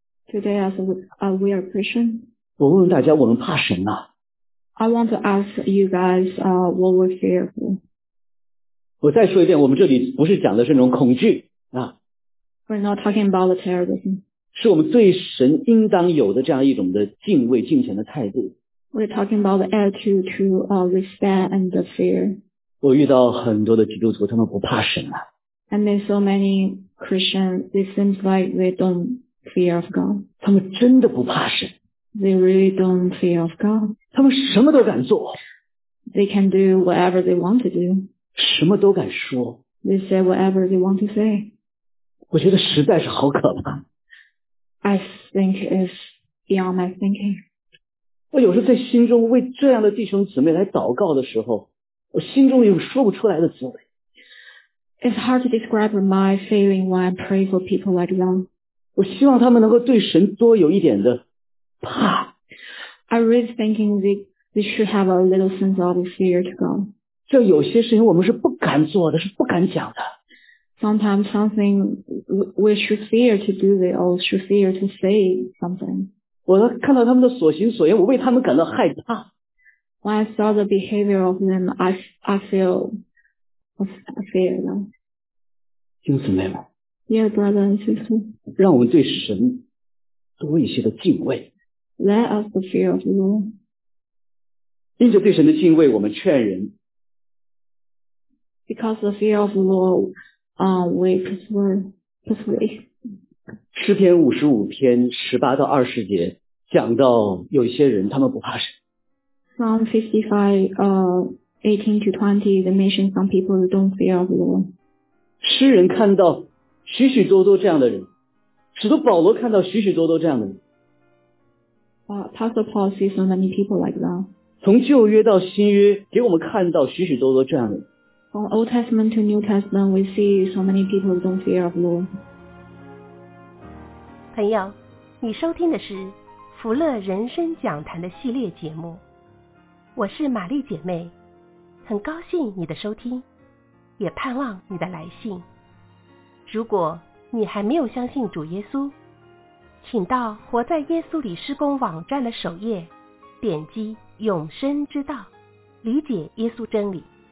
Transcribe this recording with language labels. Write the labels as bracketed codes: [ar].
[en] ，Today as we are Christian, [zh] 我问问大家，我们怕神吗 [en] ？I want to ask you guys, what we fear for. [zh] 我再说一遍，我们这里不是讲的是那种恐惧啊。 [en] We're not talking about the terrorism. [zh] 是我们对神应当有的这样一种的敬畏敬虔的态度。 [en] We're talking about the attitude to respect and the fear. [zh] 我遇到很多的基督徒，他们不怕神啊。 [en] I met so many Christians. It seems like they don't fear of God. [zh] 他们真的不怕神。 [en] They really don't fear of God. [zh] 他们什么都敢做。 [en] They can do whatever they want to do. [zh] 什么都敢说。 [en] They say whatever they want to say. [zh] 我觉得实在是好可怕。 [en] I think it's beyond my thinking. [zh] 我有时候在心中为这样的弟兄姊妹来祷告的时候，我心中有说不出来的滋味。 [en] It's hard to describe my feeling when I pray for people like them. [zh] 我希望他们能够对神多有一点的怕。 [en] I really thinking they should have a little sense of fear to God. [zh] 这有些事情我们是不敢做的，是不敢讲的。 [en] Sometimes something we should fear to do it or should fear to say something. [zh] 我看到他们的所行所言，我为他们感到害怕。 [en] When I saw the behavior of them, I feel them. [zh] 弟兄姊妹们。 [en] Yeah, brother and sister. [zh] 让我们对神多一些的敬畏。 [en] Let us the fear of the Lord. [zh] 因着对神的敬畏，我们劝人。 [en] Because the fear of the Lord,we persuade. [zh] 诗篇五十五篇十八到二十节讲到有些人他们不怕神。 [en] Psalm 55, 18 to 20, they mention some people don't fear the Lord. [zh] 诗人看到许许多多这样的人，使徒保罗看到许许多多这样的人。 [en] Pastor Paul sees so many people like that. [zh] 从旧约到新约，给我们看到许许多多这样的人。 [en] From Old Testament to New Testament, we see so many people don't fear of Lord. [zh] 朋友，你收听的是福乐人生讲坛的系列节目。我是玛丽姐妹，很高兴你的收听，也盼望你的来信。如果你还没有相信主耶稣，请到活在耶稣里施工网站的首页，点击永生之道，理解耶稣真理。